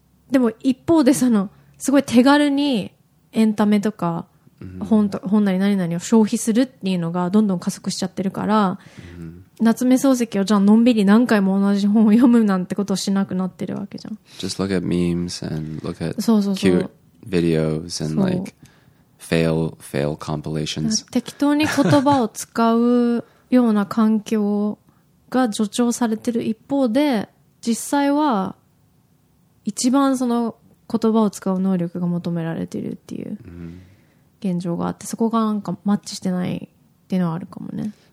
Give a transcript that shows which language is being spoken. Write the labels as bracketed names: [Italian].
[Japanese] でも一方でそのすごい手軽にエンタメとか本なり何々を消費するっていうのがどんどん加速しちゃってるから、夏目漱石をじゃあのんびり何回も同じ本を読むなんてことをしなくなってるわけじゃん。 [English] Just look at memes and look at cute videos and like fail compilations. [Japanese] 適当に言葉を使うような環境が助長されてる一方で、実際は一番その言葉を使う能力が求められてるっていう現状があって、そこがなんかマッチしてないっていうのはあるかもね。